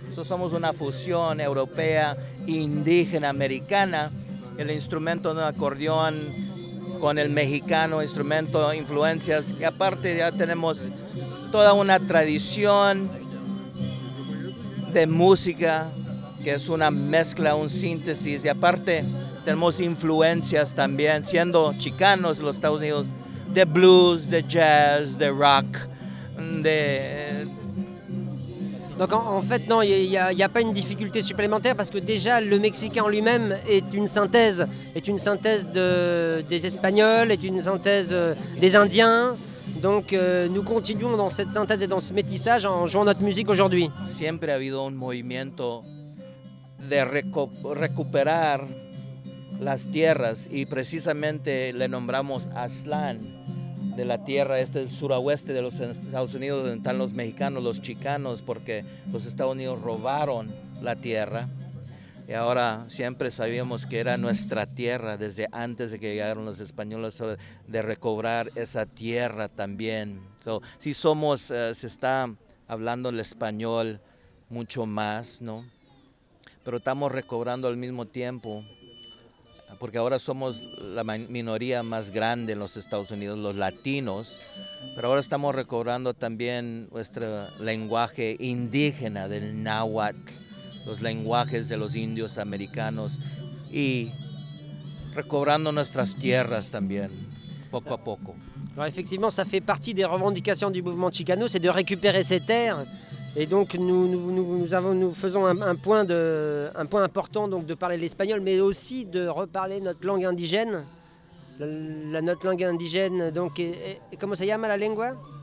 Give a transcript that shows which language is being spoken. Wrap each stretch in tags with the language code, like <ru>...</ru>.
<fr>Nous sommes une fusion européenne, indigène, américaine. L'instrument d'un accordéon avec le mexicano, instrument d'influences. Et à part, nous avons toute une tradition de musique qui est une mezcla, une synthèse. Et à part,</fr> <es>tenemos influencias también, siendo chicanos los Estados Unidos, de blues, de jazz, de rock, de...</es> <fr>Donc en fait, non, il n'y a pas une difficulté supplémentaire, parce que déjà, le Mexicain en lui-même est une synthèse des Espagnols, est une synthèse des Indiens. Donc nous continuons dans cette synthèse et dans ce métissage en jouant notre musique aujourd'hui.</fr> <es>Siempre ha habido un movimiento de recuperar las tierras, y precisamente le nombramos Aztlán de la tierra, este es el suroeste de los Estados Unidos, donde están los mexicanos, los chicanos, porque los Estados Unidos robaron la tierra, y ahora siempre sabíamos que era nuestra tierra desde antes de que llegaron los españoles, de recobrar esa tierra también. So, sí somos, se está hablando el español mucho más, ¿no? Pero estamos recobrando al mismo tiempo, porque ahora somos la minoría más grande en los Estados Unidos, los latinos, pero ahora estamos recobrando también nuestro lenguaje indígena del náhuatl, los lenguajes de los indios americanos, y recobrando nuestras tierras también, poco a poco.</es> <fr>Alors effectivement, ça fait partie des revendications du mouvement chicano, c'est de récupérer ces terres. Et donc nous faisons un point important, donc de parler l'espagnol, mais aussi de reparler notre langue indigène. Notre langue indigène, donc, comment ça s'appelle la langue?</fr>